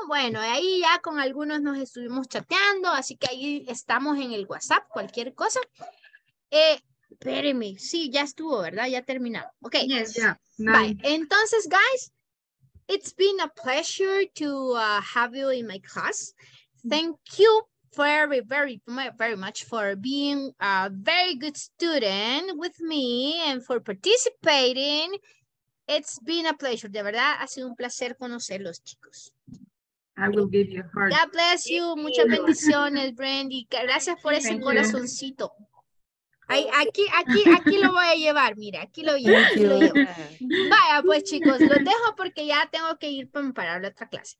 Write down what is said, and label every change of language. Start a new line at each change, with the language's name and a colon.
Spanish: Bueno, ahí ya con algunos nos estuvimos chateando, así que ahí estamos en el WhatsApp, cualquier cosa. Espéreme, sí, ya estuvo, ¿verdad? Ya terminamos. Ok.
English: Yes, yeah. Bye. Entonces, guys, it's been a pleasure to have you in my class. Thank you very, very, very much for being a very good student with me and for participating. It's been a pleasure.
Spanish: De verdad, ha sido un placer conocerlos, chicos.
English: I will give you a heart. God bless you.
Spanish: Muchas bendiciones, Brandy. Gracias por ese corazoncito. Ay, aquí lo voy a llevar, mira, aquí lo llevo, aquí lo llevo. Vaya, pues chicos, los dejo porque ya tengo que ir para preparar la otra clase.